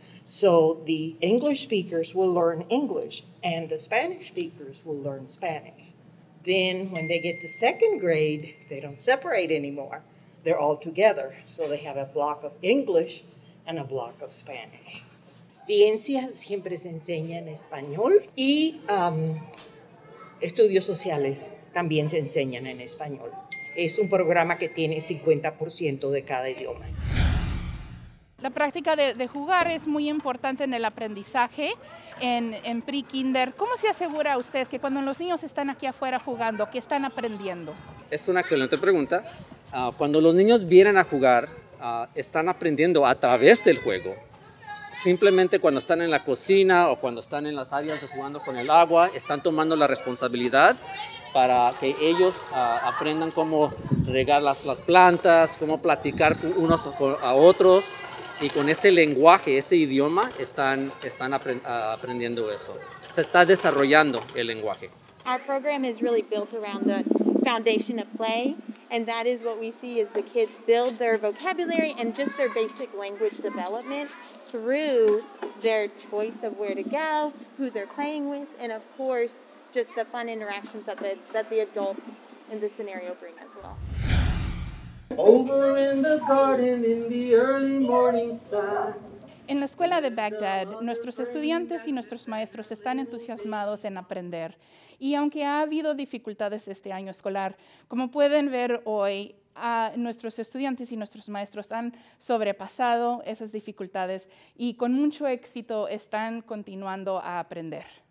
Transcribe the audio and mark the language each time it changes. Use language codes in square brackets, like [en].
[en] So the English speakers will learn English and the Spanish speakers will learn Spanish. Then when they get to second grade, they don't separate anymore. They're all together. So they have a block of English and a block of Spanish. [es] Ciencias siempre se enseña en español y estudios sociales. También se enseñan en español. Es un programa que tiene 50% de cada idioma. La práctica de jugar es muy importante en el aprendizaje en pre-kinder. ¿Cómo se asegura usted que cuando los niños están aquí afuera jugando, que están aprendiendo? Es una excelente pregunta. Cuando los niños vienen a jugar, están aprendiendo a través del juego. Simplemente cuando están en la cocina o cuando están en las áreas jugando con el agua, están tomando la responsabilidad para que ellos aprendan cómo regar las plantas, cómo platicar unos a otros. Y con ese lenguaje, ese idioma, están aprendiendo eso. Se está desarrollando el lenguaje. [en] Our program is really built around the foundation of play. And that is what we see is the kids build their vocabulary and just their basic language development through their choice of where to go, who they're playing with, and of course, just the fun interactions that the adults in the scenario bring as well. Over in the garden in the early morning sun. [es] En la escuela de MacDad, nuestros estudiantes y nuestros maestros están entusiasmados en aprender. Y aunque ha habido dificultades este año escolar, como pueden ver hoy, nuestros estudiantes y nuestros maestros han sobrepasado esas dificultades y con mucho éxito están continuando a aprender.